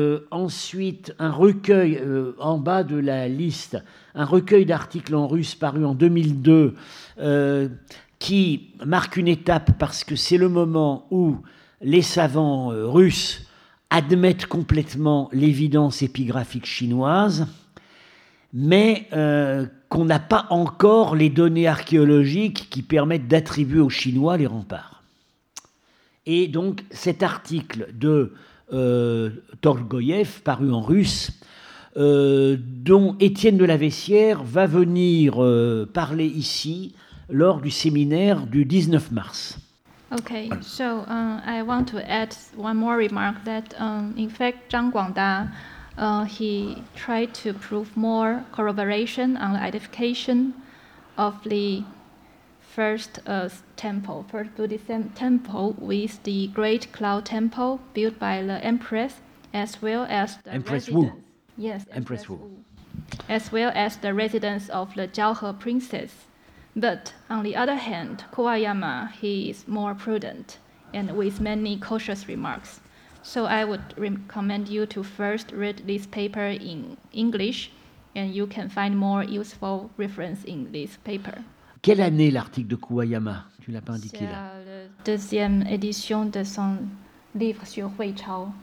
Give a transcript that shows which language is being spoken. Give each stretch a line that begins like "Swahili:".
French: Ensuite, un recueil en bas de la liste, un recueil d'articles en russe paru en 2002 qui marque une étape parce que c'est le moment où les savants russes admettent complètement l'évidence épigraphique chinoise, mais qu'on n'a pas encore les données archéologiques qui permettent d'attribuer aux Chinois les remparts. Et donc cet article de Torgoyev, paru en russe, dont Étienne de la Vessière va venir parler ici lors du séminaire du 19 mars.
English: Okay, so I want to add one more remark that in fact Zhang Guangda he tried to prove more corroboration on the identification of the first temple, first Buddhist temple with the Great Cloud Temple built by the Empress as well as the Empress Wu. Yes, Empress Wu. As well as the residence of the Jiaohe Princess. But on the other hand, Kuwayama, he is more prudent and with many cautious remarks. So I would recommend you to first read this paper in English, and you can find more useful reference in this paper.
French: Quelle année l'article de Kuwayama? Tu l'as pas indiqué là. C'est la deuxième édition de son livre sur Hui Chao.